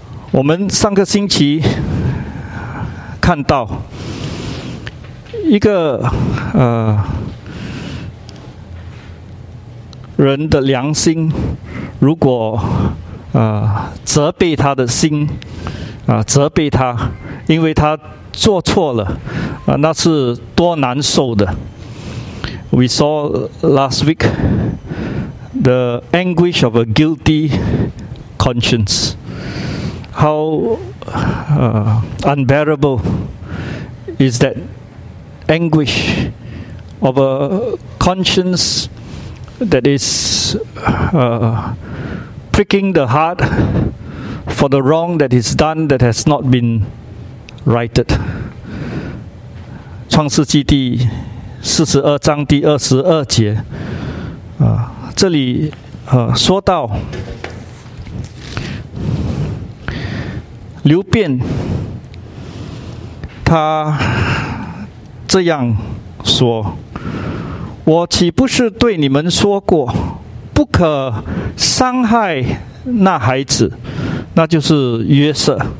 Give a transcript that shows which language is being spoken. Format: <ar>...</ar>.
<zh>我们上个星期看到一个人的良心，如果责备他的心责备他，因为他做错了那是多难受的。</zh> <en>We saw last week the anguish of a guilty conscience, how unbearable is that anguish of a conscience that is pricking the heart for the wrong that is done that has not been righted.</en> <zh>创世纪第四十二章第二十二节这里说到流便他这样说，我岂不是对你们说过不可伤害那孩子，那就是约瑟，</zh>